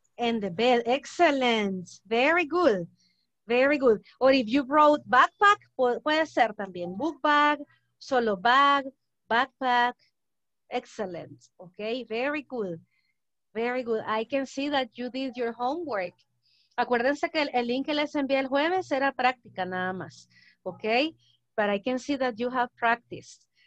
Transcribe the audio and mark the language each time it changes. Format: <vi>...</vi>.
<en>And the bell. Excellent. Very good. Very good. Or if you brought backpack,</en> <es>puede ser también</es> <en>book bag, solo bag, backpack. Excellent. Okay. Very good. Very good. I can see that you did your homework.</en> <es>Acuérdense que el link que les envié el jueves era práctica nada más.</es> <en>Okay. But I can see that you have practiced.</en>